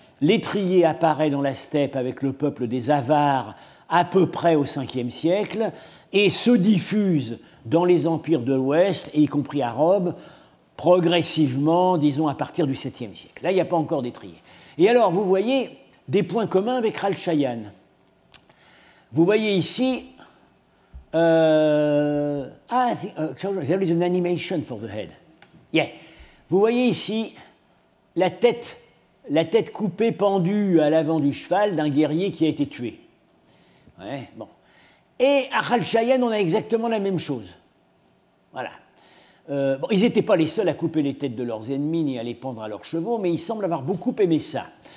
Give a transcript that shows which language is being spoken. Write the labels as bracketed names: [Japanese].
[French] L'étrier apparaît dans la steppe avec le peuple des Avars à peu près au 5e siècle et se diffuse dans les empires de l'Ouest, y compris à Rome, progressivement, disons, à partir du 7e siècle. Là, il n'y a pas encore d'étrier. Et alors, vous voyez des points communs avec Khalchayan. Vous voyez ici... [English] there is an animation for the head. Yeah. [French] Vous voyez ici la tête coupée, pendue à l'avant du cheval d'un guerrier qui a été tué. Ouais, bon. Et à Khalchayan, on a exactement la même chose. Voilà. Bon, ils n'étaient pas les seuls à couper les têtes de leurs ennemis ni à les pendre à leurs chevaux, mais ils semblent avoir beaucoup aimé ça.